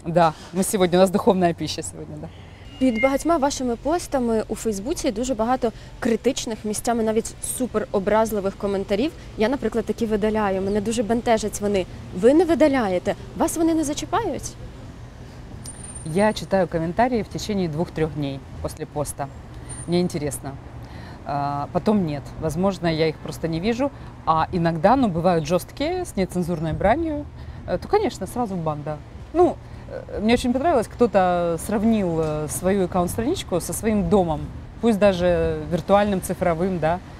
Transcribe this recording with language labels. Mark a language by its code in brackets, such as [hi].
[ru] Да, мы сегодня, у нас духовная пища сегодня, да. [uk] Під багатьма вашими постами у Фейсбуці дуже багато критичних, місцями навіть суперобразливих коментарів. Я, наприклад, такі видаляю, мене дуже бентежать вони. Ви не видаляєте, вас вони не зачіпають? Я читаю коментарі [ru] в течение [uk] 2-3 днів після поста. Мені цікаво. [ru] Потом нет. Возможно, я их просто не вижу. А иногда, ну, бывают жесткие, с нецензурной бранью, то, конечно, сразу бан, да. Ну, мне очень понравилось, кто-то сравнил свою аккаунт-страничку со своим домом, пусть даже виртуальным, цифровым, да.